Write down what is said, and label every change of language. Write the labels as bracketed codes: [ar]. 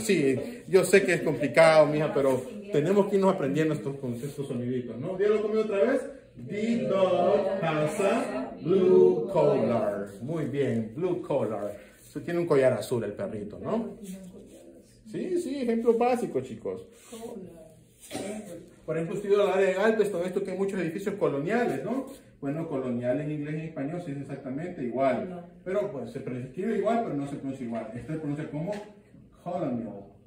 [es] Sí, yo sé que es complicado, mija, pero tenemos que irnos aprendiendo estos conceptos soniditos, ¿no? Dígalo conmigo otra vez. [en] The dog has a blue collar. [es] Muy bien, blue collar. Se tiene un collar azul el perrito, ¿no? Sí, sí, ejemplo básico, chicos. Por ejemplo, estoy hablando de Galveston, esto que hay muchos edificios coloniales, ¿no? Bueno, colonial en inglés y en español sí es exactamente igual. No. Pero pues, se escribe igual, pero no se pronuncia igual. Esto se pronuncia como colonial.